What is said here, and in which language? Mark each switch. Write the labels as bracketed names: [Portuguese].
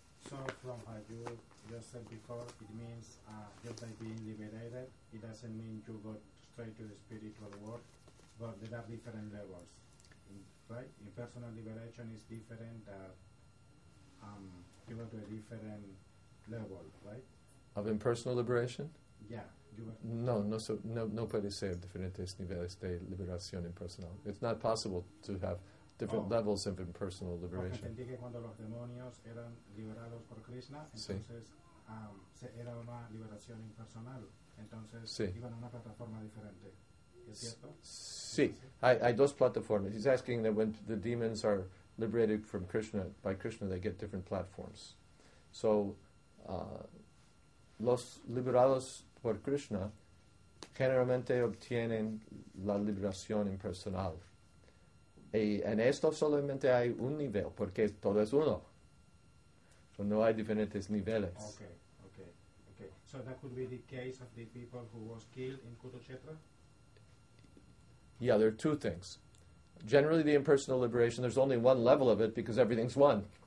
[English] So from what you just said before, it means just by being liberated, it doesn't mean you go straight to the spiritual world, but there are different levels, right? Impersonal liberation is different, you go to a different level, right? Of impersonal liberation? Yeah. [Spanish] No, puede ser diferentes niveles de liberación impersonal. [English] It's not possible to have different levels of impersonal liberation. [Spanish] Entendí que cuando los demonios eran liberados por Krishna, entonces era una liberación impersonal. Entonces iban a una plataforma diferente. ¿Es cierto? Sí. Hay dos plataformas. [English] He's asking that when the demons are liberated from Krishna, by Krishna, they get different platforms. [Spanish] So, los liberados por Krishna generalmente obtienen la liberación impersonal. En esto solamente hay un nivel, porque todo es uno. So no hay diferentes niveles. [English] Okay. So that could be the case of the people who was killed in Kurukshetra? Yeah, there are two things. Generally, the impersonal liberation, there's only one level of it because everything's one.